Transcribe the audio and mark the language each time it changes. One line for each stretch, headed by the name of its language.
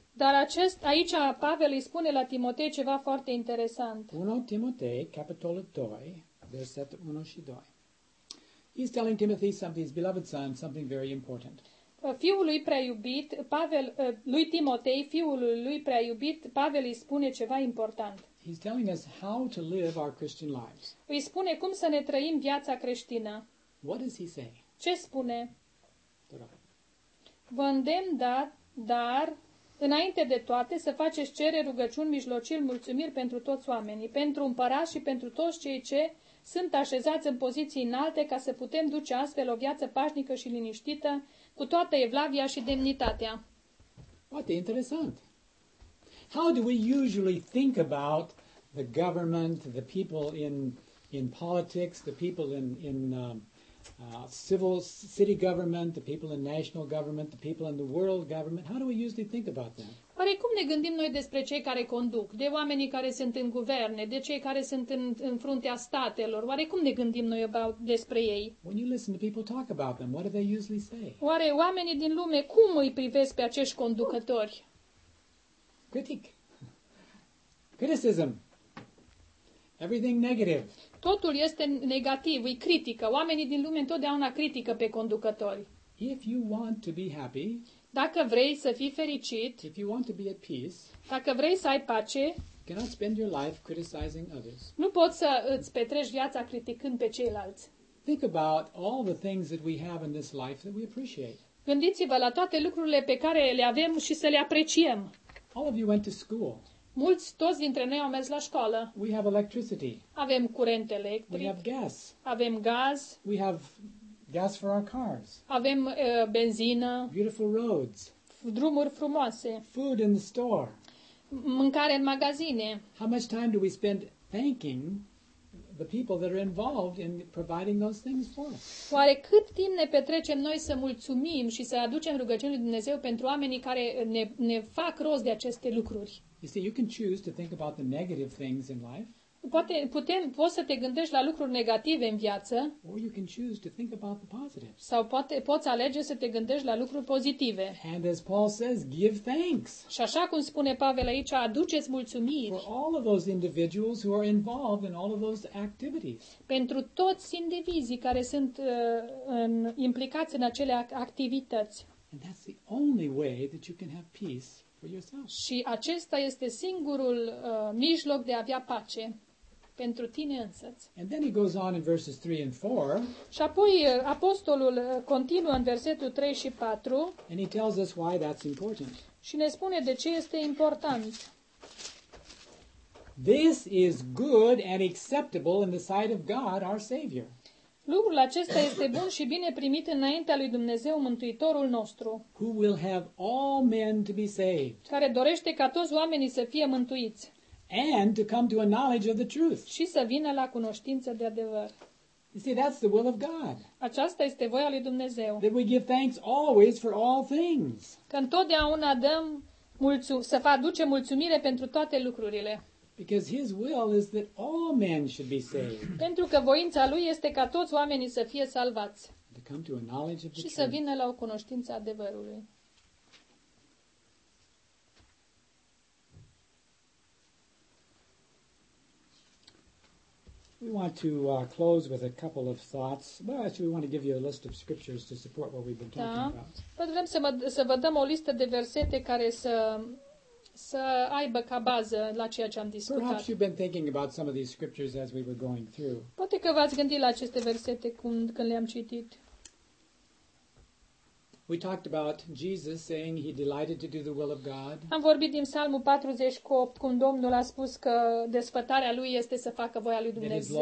Romanian: Dar aici Pavel îi spune la Timotei ceva foarte interesant. 1 Timotei, capitolul 2, versetele 1 și 2.
English: He's telling Timothy something, his beloved son, something very important.
Romanian: Fiul lui prea iubit, Pavel, lui Timotei, fiul lui prea iubit, Pavel îi spune ceva important.
English: He's telling us how to live our Christian lives.
Romanian: Îi spune cum să ne trăim viața creștină.
English: What does he say?
Romanian: Ce spune? Vă îndemn, dar înainte de toate să faceți cereri, rugăciuni, mijlociri, mulțumiri pentru toți oamenii, pentru împărat și pentru toți cei ce sunt așezați în poziții înalte ca să putem duce astfel o viață pașnică și liniștită cu toată evlavia și demnitatea. Foarte interesant.
English: How do we usually think about the government, the people in politics, the people in civil city government, the people in national government, the people in the world government? How do we usually think about them?
Romanian: Oare cum ne gândim noi despre cei care conduc, de oamenii care sunt în guverne, de cei care sunt în fruntea statelor? Oare cum ne gândim noi despre ei?
English: When you listen to people talk about them, what do they usually say?
Romanian: Oare oamenii din lume cum îi privesc pe acești conducători?
English: Critic. Criticism. Everything negative.
Romanian: Totul este negativ, îi critică. Oamenii din lume întotdeauna critică pe conducători.
English: If you want to be happy,
Romanian: dacă vrei să fii fericit,
English: if you want to be at peace,
Romanian: dacă vrei să ai pace,
English: cannot spend your life criticizing others.
Romanian: Nu poți să îți petreci viața criticând pe ceilalți.
English: Think about all the things that we have in this life that we appreciate.
Romanian: Gândiți-vă la toate lucrurile pe care le avem și să le apreciem.
English: All of you went to school.
Romanian: Mulți, toți dintre noi au mers la școală.
English: We have electricity.
Romanian: Avem curent electric.
English: We have gas.
Romanian: Avem gaz.
English: We have gas for our cars.
Romanian: Avem benzină.
English: Beautiful roads.
Romanian: Drumuri frumoase.
English: Food in the store.
Romanian: Mâncare în magazine.
English: How much time do we spend thanking the people that are involved in providing those things for us?
Romanian: Oare cât timp ne petrecem noi să mulțumim și să aducem rugăciuni lui Dumnezeu pentru oamenii care ne fac rost de aceste lucruri?
English: You see, you can choose to think about the negative things in life.
Romanian: Poți să te gândești la lucruri negative în viață.
English: Or you can choose to think about the positive.
Romanian: Sau poți alege să te gândești la lucruri pozitive.
English: And as Paul says, give thanks.
Romanian: Și așa cum spune Pavel aici, aduceți mulțumiri.
English: For all of those individuals who are involved in all of those activities.
Romanian: Pentru toți indivizii care sunt implicați în acele activități.
English: And that's the only way that you can have peace.
Romanian: Și acesta este singurul mijloc de a avea pace pentru tine însăți.
English: And then he goes on in verses 3 and 4.
Romanian: Și apoi apostolul continuă în versetul 3 și 4.
English: And he tells us why that's important.
Romanian: Și ne spune de ce este important.
English: This is good and acceptable in the sight of God our Savior.
Romanian: Lucrul acesta este bun și bine primit înaintea lui Dumnezeu Mântuitorul nostru.
English: Who will have all men to be saved.
Romanian: Care dorește ca toți oamenii să fie mântuiți.
English: And to come to a knowledge of the truth.
Romanian: Și să vină la cunoștință de adevăr.
English: You see, that's the will of God.
Romanian: Aceasta este voia lui Dumnezeu.
English: That we give thanks always for all things.
Romanian: Că întotdeauna dăm să aducem mulțumire pentru toate lucrurile.
English: Because his will is that all men should be saved.
Romanian: Pentru că voința lui este ca toți oamenii să fie salvați.
English: To come to a knowledge of the truth.
Romanian: Și să vină la o cunoștință adevărului.
English: We want to close with a couple of thoughts. Well, actually, we want to give you a list of scriptures to support what we've been talking about.
Romanian: Vrem să vă dăm o listă de versete care să aibă ca bază la ceea ce am discutat.
English: Perhaps you've been thinking about some of these scriptures as we were going through.
Romanian: Poate că v-ați gândit la aceste versete când le-am citit.
English: We talked about Jesus saying he delighted to do the will of God.
Romanian: Am vorbit din Psalmul 48, când Domnul a spus că desfătarea lui este să facă voia lui Dumnezeu.